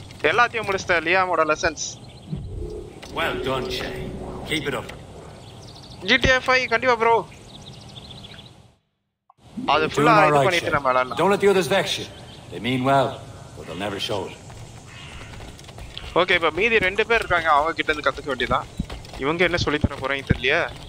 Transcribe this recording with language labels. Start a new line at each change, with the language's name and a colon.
Tamil: எல்லாத்தையும் முடிச்சேன் லியாமோட lessons.
English: Well done, Shay. Keep it up.
Tamil: GTA 5 கண்டிப்பா bro. அது ஃபுல்லா இது பண்ணிட்டு நம்ம எல்லாம்.
English: Don't let the others vex you. They mean well, but they'll never show it.
Tamil: Okay, இப்ப மீதி ரெண்டு பேர் இருக்காங்க அவங்க கிட்ட இருந்து கத்துக்க வேண்டியதான். இவங்க என்ன சொல்லி தர போறாங்க தெரியலையே.